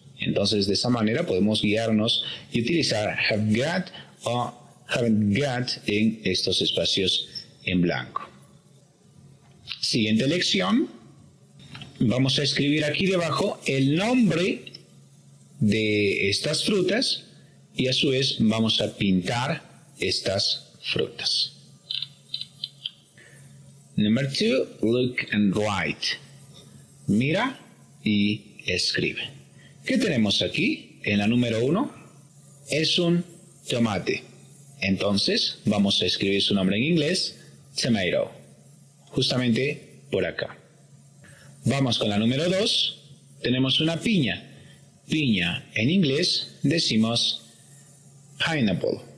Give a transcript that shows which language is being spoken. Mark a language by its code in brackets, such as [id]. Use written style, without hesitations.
[es] Entonces, de esa manera podemos guiarnos y utilizar have got o haven't got en estos espacios en blanco. Siguiente lección. vamos a escribir aquí debajo el nombre de estas frutas y a su vez vamos a pintar estas frutas. [en] Number two, look and write. [es] Mira y escribe. ¿Qué tenemos aquí? En la número uno es un tomate. Entonces vamos a escribir su nombre en inglés, tomato. Justamente por acá. Vamos con la número dos. Tenemos una piña. Piña en inglés decimos pineapple.